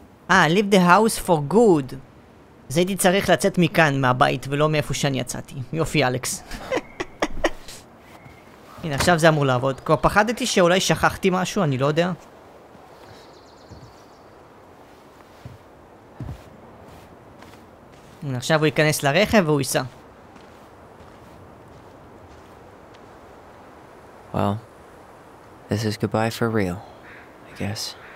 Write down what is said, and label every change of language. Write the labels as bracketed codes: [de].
[en] Leave the house for good. [he] אז הייתי צריך לצאת מכאן, מהבית, ולא מאיפה שאני יצאתי. יופי, אלכס. הנה, עכשיו זה אמור לעבוד. כבר פחדתי שאולי שכחתי משהו, אני לא יודע. עכשיו הוא ייכנס לרכב והוא ייסע. [en] Well, this is goodbye for real, I guess.